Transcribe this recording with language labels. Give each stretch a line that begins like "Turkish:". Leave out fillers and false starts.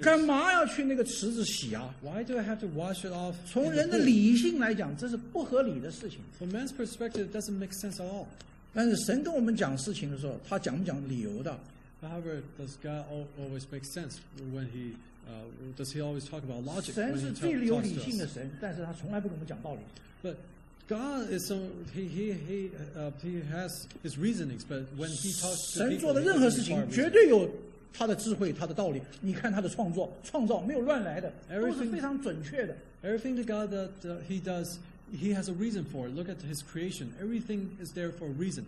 Chinese: 干嘛要去那个池子洗啊?
English: Why do I have to wash it off?
Chinese: 从人的理性来讲, 这是不合理的事情。
English: From man's perspective, it doesn't make sense at all.
Chinese: 但是神跟我们讲事情的时候, 他讲不讲理由的?
English: However, does God always make sense when he does he always talk about logic?
Chinese: 神是最有理性的神, 但是他从来不跟我们讲道理。
English: But God is so he has his reasonings, but when he talks to people,
Chinese: 神做的任何事情绝对有他的智慧，他的道理。你看他的创造，没有乱来的，都是非常准确的。
English: Everything that God he does, he has a reason for. Look at his creation; everything is there for a reason.